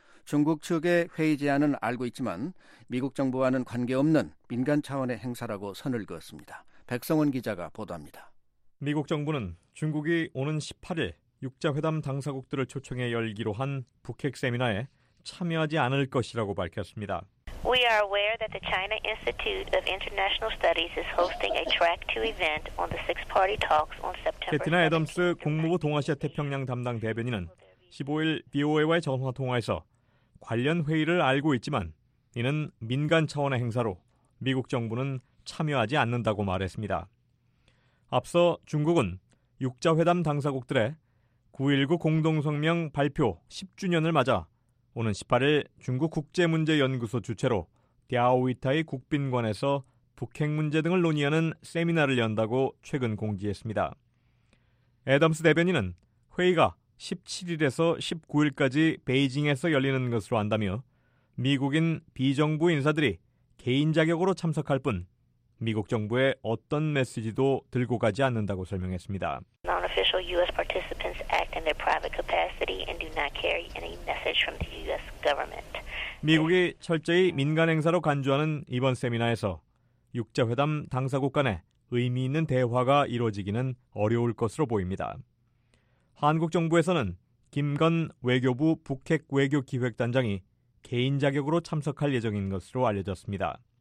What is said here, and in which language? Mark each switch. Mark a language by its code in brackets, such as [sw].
[ko] 중국 측의 회의 제안은 알고 있지만 미국 정부와는 관계없는 민간 차원의 행사라고 선을 그었습니다. 백성원 기자가 보도합니다. 미국 정부는 중국이 오는 18일 6자회담 당사국들을 초청해 열기로 한 북핵 세미나에 참여하지 않을 것이라고 밝혔습니다. [en] We are aware that the China Institute of International Studies is hosting a track to event on the six-party talks on September 17th. [ko] 캐티나 애덤스 국무부 동아시아 태평양 담당 대변인은 15일 BOA와의 전화 통화에서 관련 회의를 알고 있지만 이는 민간 차원의 행사로 미국 정부는 참여하지 않는다고 말했습니다. 앞서 중국은 6자회담 당사국들의 9.19 공동성명 발표 10주년을 맞아 오는 18일 중국 국제문제연구소 주최로 랴오위타이 국빈관에서 북핵 문제 등을 논의하는 세미나를 연다고 최근 공지했습니다. 애덤스 대변인은 회의가 17일에서 19일까지 베이징에서 열리는 것으로 안다며 미국인 비정부 인사들이 개인 자격으로 참석할 뿐 미국 정부의 어떤 메시지도 들고 가지 않는다고 설명했습니다. [en] Non-official U.S. participants act in their private capacity and do not carry any message from the U.S. government. [ko] 미국이 철저히 민간 행사로 간주하는 이번 세미나에서 6자회담 당사국 간의 의미 있는 대화가 이루어지기는 어려울 것으로 보입니다. 한국 정부에서는 김건 외교부 북핵 외교기획단장이 개인 자격으로 참석할 예정인 것으로 알려졌습니다.